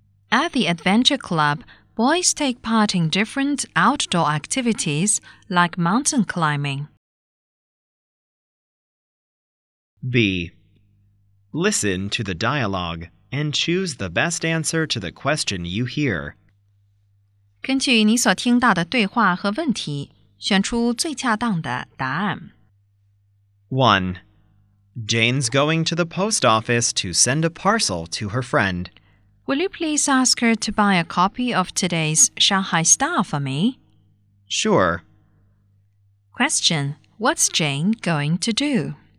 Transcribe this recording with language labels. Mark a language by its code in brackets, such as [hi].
[en] At the Adventure Club, boys take part in different outdoor activities, like mountain climbing. B. Listen to the dialogue and choose the best answer to the question you hear. [zh] 根据你所听到的对话和问题，选出最恰当的答案。 [en] 1. Jane's going to the post office to send a parcel to her friend. Will you please ask her to buy a copy of today's Shanghai Star for me? Sure. Question, what's Jane going to do?